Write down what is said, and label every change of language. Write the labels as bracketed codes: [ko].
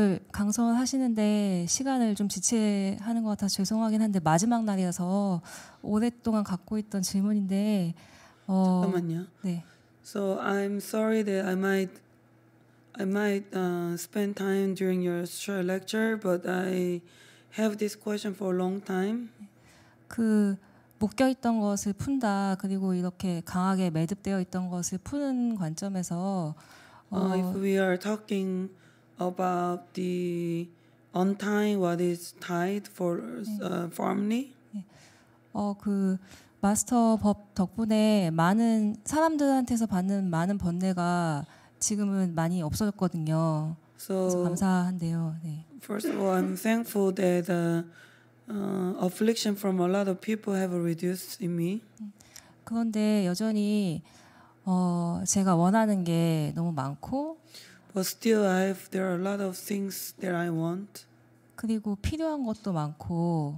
[ko] 강설 하시는데 시간을 좀 지체하는 것 같아서 죄송하긴 한데 마지막 날이어서 오랫동안 갖고 있던 질문인데. 잠깐만요. 네. [en] So I'm sorry that I might spend time during your short lecture, but I have this question for a long time. [ko] 그 묶여 있던 것을 푼다 그리고 이렇게 강하게 매듭되어 있던 것을 푸는 관점에서 [en] If we are talking about the untying what is tied for firmly. [ko] 그 마스터 법 덕분에 많은 사람들한테서 받는 많은 번뇌가 지금은 많이 없어졌거든요. 그래서 감사한데요. 네. [en] First of all, I'm thankful that the affliction from a lot of people have reduced in me. [ko] 그런데 여전히 제가 원하는 게 너무 많고 [en] But still there are a lot of things that I want. [ko] 그리고 필요한 것도 많고